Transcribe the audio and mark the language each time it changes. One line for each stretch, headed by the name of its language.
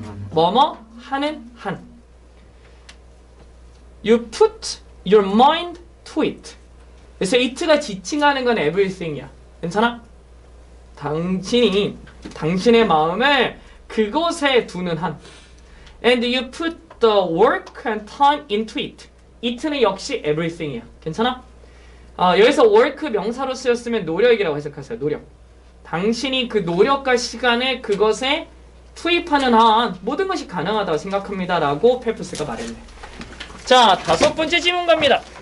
Korean: 뭐뭐 하는 한.
English: You put your mind to it.
Korean: 그래서 it가 지칭하는 건 everything이야. 괜찮아? 당신이 당신의 마음을 그곳에 두는 한.
English: And you put the work and time into it.
Korean: it는 역시 everything이야. 괜찮아? 여기서 work 명사로 쓰였으면 노력이라고 해석하세요. 노력. 당신이 그 노력과 시간을 그것에 투입하는 한 모든 것이 가능하다고 생각합니다. 라고 페프스가 말했네. 자, 다섯 번째 질문 갑니다.